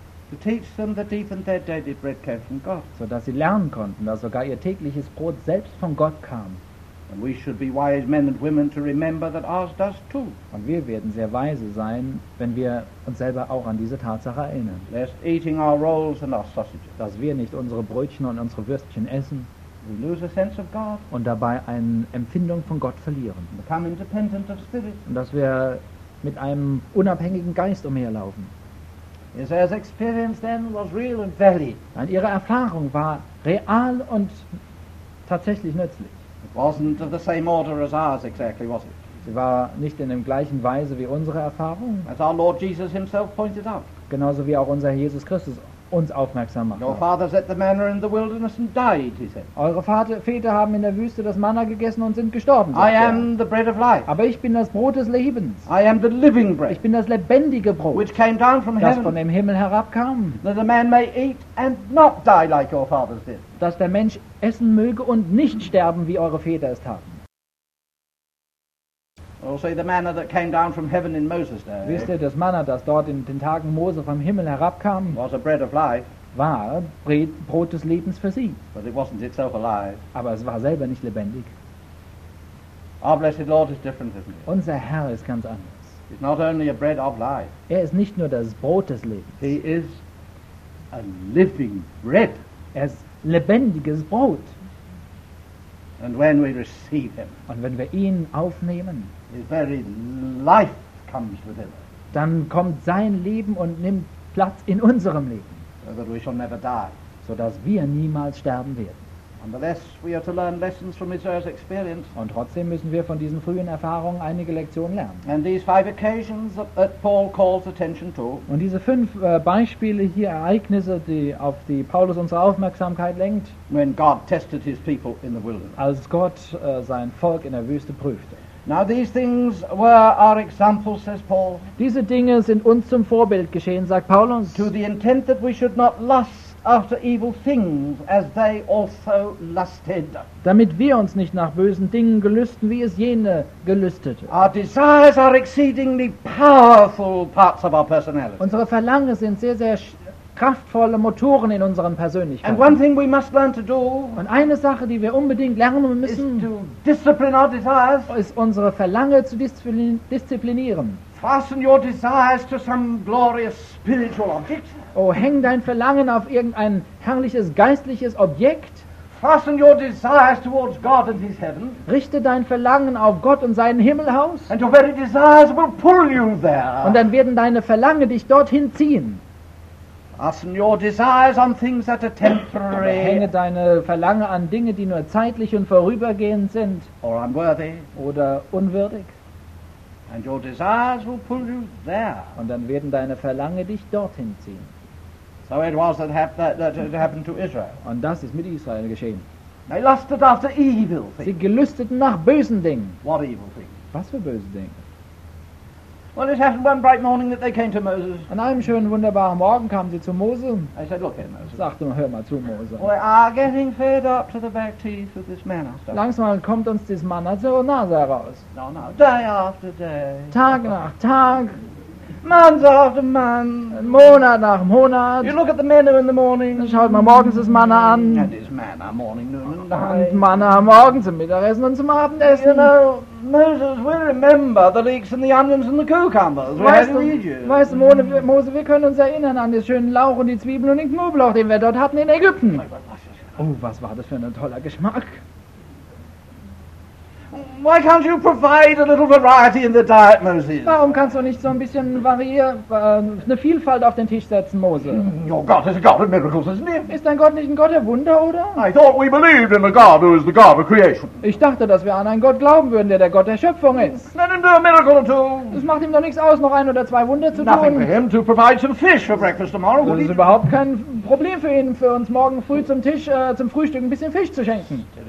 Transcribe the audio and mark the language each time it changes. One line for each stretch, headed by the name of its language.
English: To teach them that even their daily bread came from God.
German: So dass sie lernen konnten, dass sogar ihr tägliches Brot selbst von Gott kam.
English: And we should be wise men and women to remember that ours does too.
German: Und wir werden sehr weise sein, wenn wir uns selber auch an diese Tatsache erinnern.
English: Lest eating our rolls and our sausages.
German: Dass wir nicht unsere Brötchen und unsere Würstchen essen.
English: We lose a sense of God.
German: Und dabei eine Empfindung von Gott verlieren.
English: And become independent of spirit.
German: Und dass wir mit einem unabhängigen Geist umherlaufen.
English: Israel's experience then was real and valid.
German: Nein, ihre Erfahrung war real und tatsächlich nützlich.
English: It wasn't of the same order as ours exactly, was it?
German: Sie war nicht in dem gleichen Weise wie unsere Erfahrung.
English: As our Lord Jesus himself pointed out.
German: Genauso wie auch unser Herr Jesus Christus uns aufmerksam macht.
English: Your fathers ate the manna in the wilderness and died, he said.
German: Eure Väter haben in der Wüste das Manna gegessen und sind gestorben.
English: I am the bread of life.
German: Aber ich bin das Brot des Lebens.
English: I am the living bread.
German: Ich bin das lebendige Brot.
English: Which came down from heaven.
German: Das von dem Himmel herabkam.
English: That a man may eat and not die like your fathers did.
German: Dass der Mensch essen möge und nicht sterben, wie eure Väter es taten.
English: Also the manna that came down from heaven in Moses' day.
German: Wisst ihr, das Manna, das dort in den Tagen Mose vom Himmel herabkam,
English: was a bread of life.
German: War Brot des Lebens für sie.
English: But it wasn't itself alive.
German: Aber es war selber nicht lebendig.
English: Our blessed Lord is different, isn't it?
German: Unser Herr ist ganz anders.
English: He's not only a bread of life.
German: Er ist nicht nur das Brot des Lebens.
English: He is a living bread.
German: Er ist lebendiges Brot.
English: And when we receive him.
German: Und wenn wir ihn aufnehmen.
English: His very life comes within us.
German: Dann kommt sein Leben und nimmt Platz in unserem Leben.
English: So that we shall never die.
German: So dass wir niemals sterben werden.
English: Unless we are to learn lessons from Israel's experience.
German: Und trotzdem müssen wir von diesen frühen Erfahrungen einige Lektionen lernen.
English: And these five occasions that Paul calls attention to.
German: Und diese fünf Beispiele hier, Ereignisse, die auf die Paulus unsere Aufmerksamkeit lenkt.
English: When God tested his people in the wilderness.
German: Als Gott sein Volk in der Wüste prüfte.
English: Now these things were our examples, says Paul.
German: Diese Dinge sind uns zum Vorbild geschehen, sagt Paulus.
English: To the intent that we should not lust after evil things, as they also lusted.
German: Damit wir uns nicht nach bösen Dingen gelüsten, wie es jene gelüstete.
English: Our desires are exceedingly powerful parts of our personality.
German: Unsere Verlangen sind sehr, sehr kraftvolle Motoren in unseren Persönlichkeiten.
English: And one thing we must learn to do,
German: und eine Sache, die wir unbedingt lernen müssen,
English: is to discipline our desires,
German: ist unsere Verlangen zu disziplinieren.
English: Fasten your desires to some glorious spiritual object.
German: Oh, häng dein Verlangen auf irgendein herrliches geistliches Objekt.
English: Fasten your desires towards God and his heaven.
German: Richte dein Verlangen auf Gott und seinen Himmelhaus.
English: And your very desires will pull you there.
German: Und dann werden deine Verlangen dich dorthin ziehen.
English: Fasten your desires on things that are temporary.
German: Hänge deine Verlangen an Dinge, die nur zeitlich und vorübergehend sind.
English: Or unworthy.
German: Oder unwürdig.
English: And your desires will pull you there.
German: Und dann werden deine Verlangen dich dorthin ziehen.
English: So it was that happened to Israel.
German: Und das ist mit Israel geschehen.
English: They lusted after evil things.
German: Sie gelüsteten nach bösen Dingen.
English: What evil things?
German: Was für böse Dinge?
English: Well, it happened one bright morning that they came to Moses.
German: An einem schönen, wunderbaren Morgen kamen sie zu Mose.
English: I said, look here, Moses.
German: Sagte, hör mal zu, Mose.
English: We are getting fed up to the back teeth with this manna stuff.
German: Langsam kommt uns dieses Manna zur Nase heraus.
English: No, no, day after day.
German: Tag nach Tag.
English: Month after month,
German: Monat nach Monat.
English: You look at the manna in the morning.
German: Dann schaut man morgens das Manna an.
English: And it's manna morning, noon and night.
German: Manna morgens, zum Mittagessen und zum Abendessen.
English: You know, Moses, we remember the leeks and the onions and the cucumbers.
German: Weißt du, Mose, wir können uns erinnern an den schönen Lauch und die Zwiebeln und den Knoblauch, den wir dort hatten in Ägypten. Oh, was war das für ein toller Geschmack.
English: Why can't you provide a little variety in the diet, Moses?
German: Warum kannst du nicht so ein bisschen eine Vielfalt auf den Tisch setzen, Mose?
English: Your God is a God of miracles, isn't he?
German: Ist dein Gott nicht ein Gott der Wunder, oder?
English: I thought we believed in a God who is the God of creation.
German: Ich dachte, dass wir an einen Gott glauben würden, der Gott der Schöpfung ist.
English: Let him do a miracle or two.
German: Das macht ihm doch nichts aus, noch ein oder zwei Wunder zu
English: Nothing
German: tun.
English: Nothing for him to provide some fish for breakfast tomorrow.
German: Das ist überhaupt kein Problem für ihn, für uns morgen früh zum Tisch, zum Frühstück ein bisschen Fisch zu schenken.